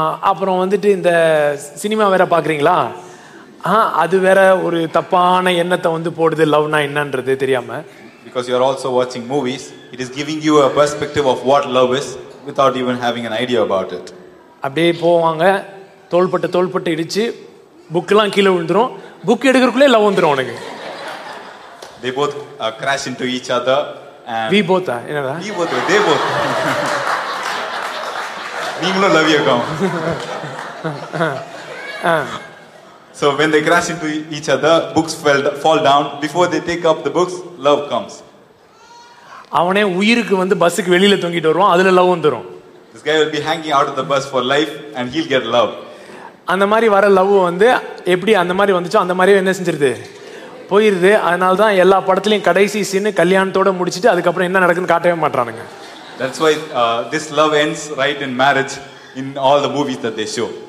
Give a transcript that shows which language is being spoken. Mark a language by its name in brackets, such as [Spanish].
[Tamil] அப்புறம் வந்துட்டு இந்த சினிமா வேற பாக்குறீங்களா, அது வேற ஒரு தப்பான எண்ணத்தை வந்து போடுது லவ்னா என்னன்றது தெரியாம. [English] Because you are also watching movies, it is giving you a perspective of what love is without even having an idea about it. [Tamil] அப்படியே போவாங்க, தோள்பட்ட தோள்பட்ட இடிச்சு புக்லாம் கீழே விழுந்துரும், புக் எடுக்கிறதுக்குள்ளே லவ் வந்துடும் உனக்கு. [English] They both crash into each other and we both are, you know, we both, they both. [Tamil] நீங்களும் love ஆகும். [English] So when they crash into each other, books fall down. Before they take up the books, love comes. [Tamil] அவனே உயிருக்கு வந்து பஸ்க்கு வெளியில தொங்கிட்டு வருவான், அதுல love வந்துரும். [English] This guy will be hanging out of the bus for life and he'll get love. [Tamil] அந்த மாதிரி வர லவ் வந்து எப்படி அந்த மாதிரி வந்துச்சோ அந்த மாதிரியே என்ன செஞ்சிருது போயிருது. அதனால தான் எல்லா படத்துலயும் கடைசி சீன் கல்யாணத்தோட முடிச்சிட்டு அதுக்கப்புறம் என்ன நடக்குன்னு காட்டவே மாட்டானுங்க. [English] That's why this love ends right in marriage in all the movies that they show.